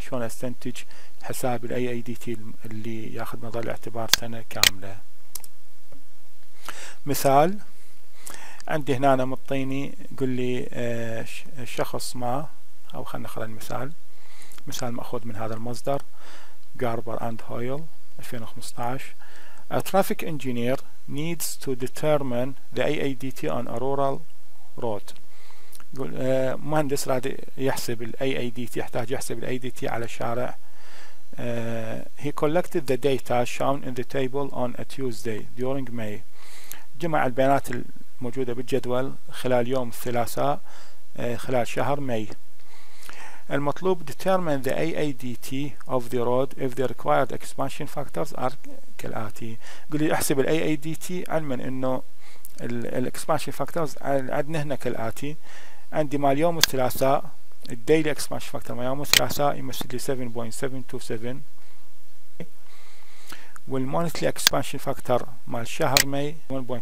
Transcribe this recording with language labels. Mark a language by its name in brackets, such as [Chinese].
[Arabic] شلون استنتج حساب الـ AADT اللي ياخذ نظر الاعتبار سنة كاملة؟ مثال عندي هنا، أنا مطيني قل لي شخص ما، أو خلنا نخلي المثال، مثال مأخوذ من هذا المصدر Garber and Hoyle 2015: [English] A traffic engineer needs to determine the AADT on a rural road. [Arabic] يقول مهندس راد يحسب الـ AADT، يحتاج يحسب الـ AADT على الشارع. [English] He collected the data shown in the table on a Tuesday during May. [Arabic] جمع البيانات الموجودة بالجدول خلال يوم الثلاثاء خلال شهر ماي. المطلوب [English] determine the AADT of the road if the required expansion factors are [Arabic] كالآتي. يقول لي احسب الـ AADT، علما انه الـ expansion factors عندنا هنا كالآتي. عندي مال يوم الثلاثاء الديلي اكسبانشن فاكتور مال يوم الثلاثاء يمثل لي 7.727، والمونثلي اكسبانشن فاكتور مال شهر ماي 1.394.